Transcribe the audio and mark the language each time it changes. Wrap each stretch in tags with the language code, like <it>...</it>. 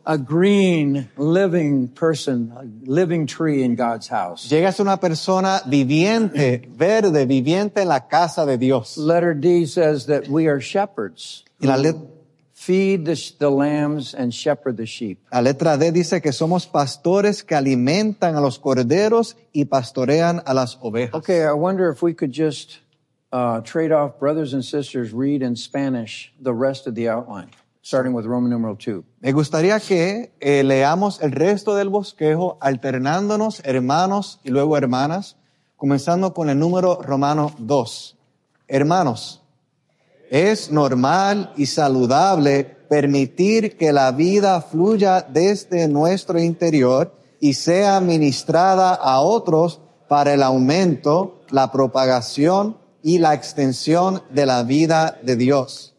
<en>A green living person, a living tree in God's house.</en> <es>Llegas una persona viviente, verde, viviente en la casa de Dios.</es> <en>Letter D says that we are shepherds. Feed the lambs and shepherd the sheep.</en> <es>La letra D dice que somos pastores que alimentan a los corderos y pastorean a las ovejas.</es> <en>Okay, I wonder if we could just trade off brothers and sisters, read in Spanish the rest of the outline, starting with Roman numeral 2.</en> <es>Me gustaría que leamos el resto del bosquejo alternándonos hermanos y luego hermanas, comenzando con el número romano 2. Hermanos, es normal y saludable permitir que la vida fluya desde nuestro interior y sea ministrada a otros para el aumento, la propagación y la extensión de la vida de Dios.</es>